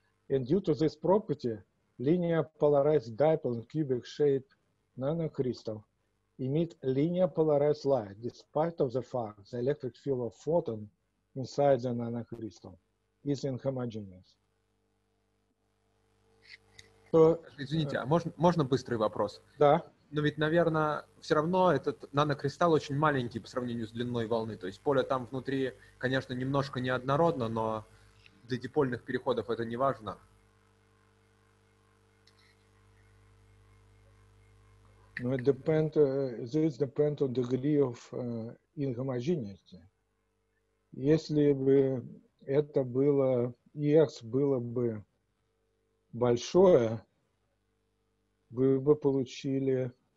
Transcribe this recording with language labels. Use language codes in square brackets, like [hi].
[en] And due to this property, linear polarized dipole in cubic shape nanocrystal emit linear polarized light despite of the fact the electric field of photon inside the nanocrystal is inhomogeneous. [ru] So, извините, а можно быстрый вопрос? Да. Но ведь, наверное, все равно этот нанокристалл очень маленький по сравнению с длиной волны. То есть поле там внутри, конечно, немножко неоднородно, но для дипольных переходов это не важно. [en] Ну, it depends, this depends on degree of inhomogeneity. [ru] Если бы это было, EX было бы большое, вы бы получили